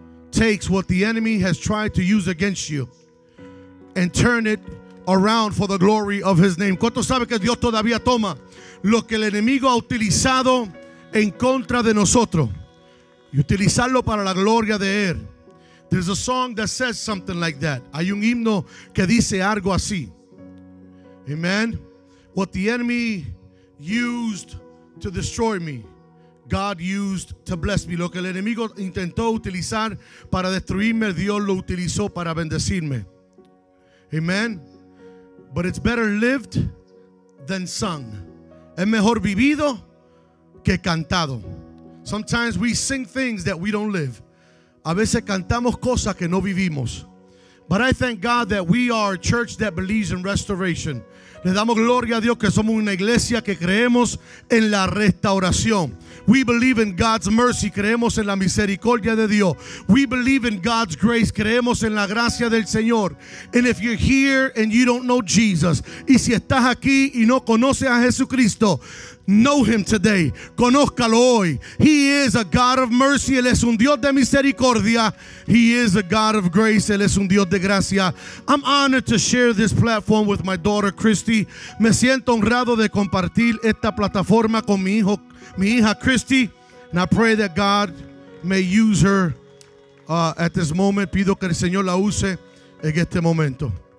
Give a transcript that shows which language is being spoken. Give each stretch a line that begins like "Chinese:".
English: takes what the enemy has tried to use against you and turn it around for the glory of his name.
Spanish: ¿Cuánto sabe que Dios todavía toma lo que el enemigo ha utilizado en contra de nosotros y utilizarlo para la gloria de él?
English: There's a song that says something like that.
Spanish: Hay un himno que dice algo así. Amen.
English: What the enemy used to destroy me, God used to bless me.
Spanish: Lo que el enemigo intentó utilizar para destruirme, Dios lo utilizó para bendecirme. Amen.
English: But it's better lived than sung.
Spanish: Es mejor vivido que cantado.
English: Sometimes we sing things that we don't live.
Spanish: A veces cantamos cosas que no vivimos.
English: But I thank God that we are a church that believes in restoration.
Spanish: Le damos gloria a Dios que somos una iglesia que creemos en la restauración.
English: We believe in God's mercy.
Spanish: Creemos en la misericordia de Dios.
English: We believe in God's grace.
Spanish: Creemos en la gracia del Señor.
English: And if you're here and you don't know Jesus,
Spanish: y si estás aquí y no conoces a Jesucristo,
English: know him today.
Spanish: Conózcalo hoy.
English: He is a God of mercy.
Spanish: Él es un Dios de misericordia.
English: He is a God of grace.
Spanish: Él es un Dios de gracia.
English: I'm honored to share this platform with my daughter Christy.
Spanish: Me siento honrado de compartir esta plataforma con mi hija Christy.
English: And I pray that God may use her at this moment.
Spanish: Pido que el Señor la use en este momento.